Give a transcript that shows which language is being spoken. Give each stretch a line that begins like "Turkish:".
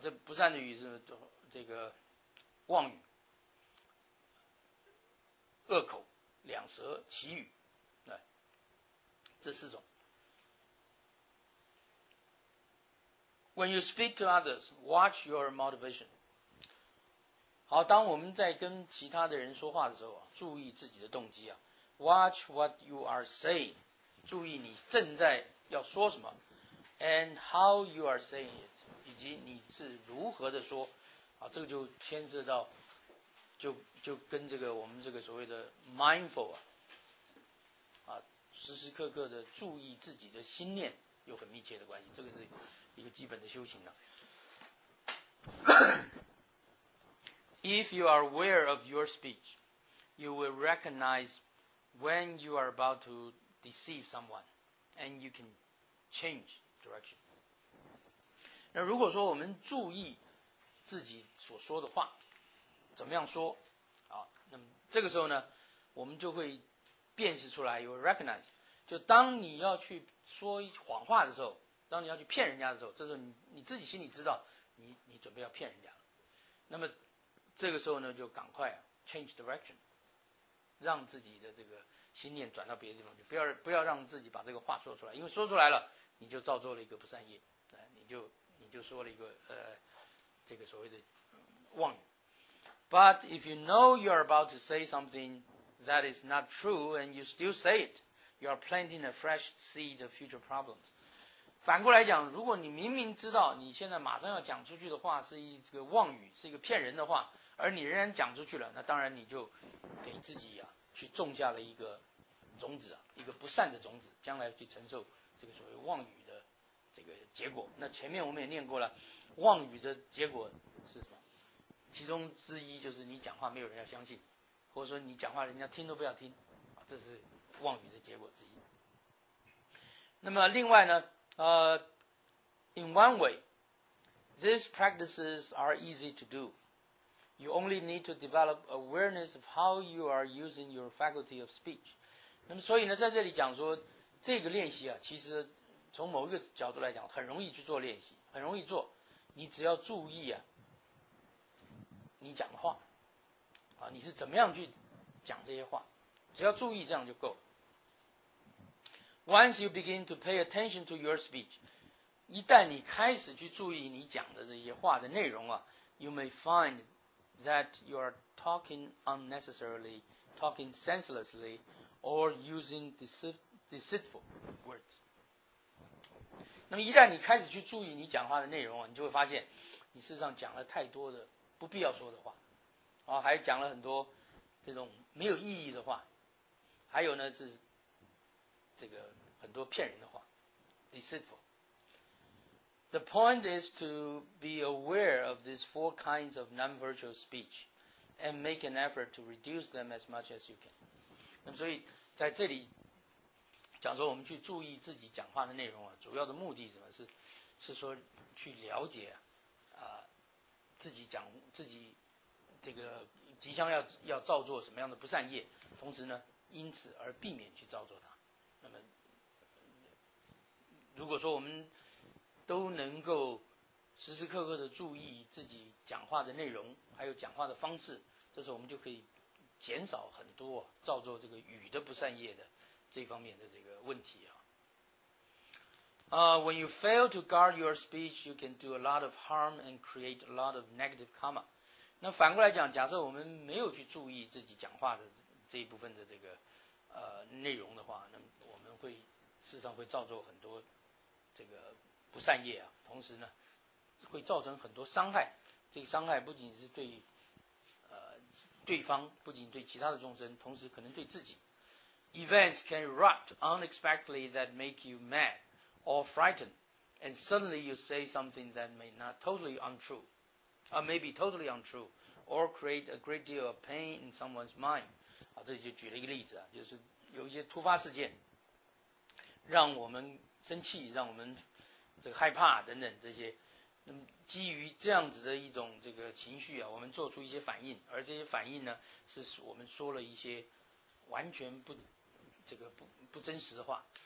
Chinese: 这不善的语是这个妄语、恶口、两舌、绮语，对，这四种。
English: When you speak to others, watch your motivation.
Chinese: 好，当我们在跟其他的人说话的时候，注意自己的动机啊。
English: Watch what you are saying.
Chinese: 注意你正在要说什么。
English: And how you are saying it.
Chinese: 以及你是如何的说。好，这个就牵涉到就跟这个我们这个所谓的 mindful 啊，时时刻刻的注意自己的心念有很密切的关系，这个是一个基本的修行了。
English: If you are aware of your speech, you will recognize when you are about to deceive someone, and you can change direction.
Chinese: 那如果说我们注意自己所说的话，怎么样说，啊，那么这个时候呢，我们就会辨识出来 ，
English: you will recognize，
Chinese: 就当你要去说谎话的时候，当你要去骗人家的时候，这时候 你自己心里知道你准备要骗人家了，那么这个时候呢就赶快
English: change direction，
Chinese: 让自己的这个心念转到别的地方去，不要让自己把这个话说出来，因为说出来了你就造作了一个不善业，你就说了一个这个所谓的妄语。
English: But if you know you are about to say something that is not true and you still say itYou are planting a fresh seed of future problems.
Chinese: 反过来讲，如果你明明知道你现在马上要讲出去的话是一个妄语，是一个骗人的话，而你仍然讲出去了，那当然你就给自己啊去种下了一个种子啊，一个不善的种子，将来去承受这个所谓妄语的这个结果。那前面我们也念过了，妄语的结果是什么？其中之一就是你讲话没有人要相信，或者说你讲话人家听都不要听，这是妄语的结果之一。那么另外呢
English: in one way these practices are easy to do. You only need to develop awareness of how you are using your faculty of speech.
Chinese: 那么所以呢在这里讲说这个练习啊，其实从某一个角度来讲很容易去做练习，很容易做，你只要注意啊你讲的话啊，你怎么样去讲这些话，只要注意这样就够了。
English: Once you begin to pay attention to your speech,
Chinese: 一旦你开始去注意你讲的这些话的内容啊，
English: you may find that you are talking unnecessarily, talking senselessly, or using deceitful words.
Chinese: 那么一旦你开始去注意你讲话的内容啊，你就会发现你事实上讲了太多的不必要说的话，啊，还讲了很多这种没有意义的话，还有呢是这个很多骗人的话 ，deceitful.
English: The point is to be aware of these four kinds of non-virtual speech, and make an effort to reduce them as much as you can.
Chinese: 那么所以在这里讲说，我们去注意自己讲话的内容啊，主要的目的什么是说去了解啊。自己这个即将要造作什么样的不善业，同时呢因此而避免去造作它。那么如果说我们都能够时时刻刻的注意自己讲话的内容还有讲话的方式，这时候我们就可以减少很多造作这个语的不善业的这方面的这个问题啊。
English: When you fail to guard your speech, you can do a lot of harm and create a lot of negative karma.
Chinese: 那反过来讲，假设我们没有去注意自己讲话的这一部分的这个内容的话，那我们会事实上会造作很多这个不善业啊，同时呢会造成很多伤害。这个伤害不仅是对对方，不仅对其他的众生，同时可能对自己。
English: Events can erupt unexpectedly that make you mad. Or frightened, and suddenly you say something that may not totally untrue, or maybe totally untrue, or create a great deal of pain in someone's mind.
Chinese: 啊，这里就举了一个例子啊，就是有一些突发事件，让我们生气，让我们这个害怕等等这些。那么基于这样子的一种这个情绪啊，我们做出一些反应，而这些反应呢，是我们说了一些完全不真实的话。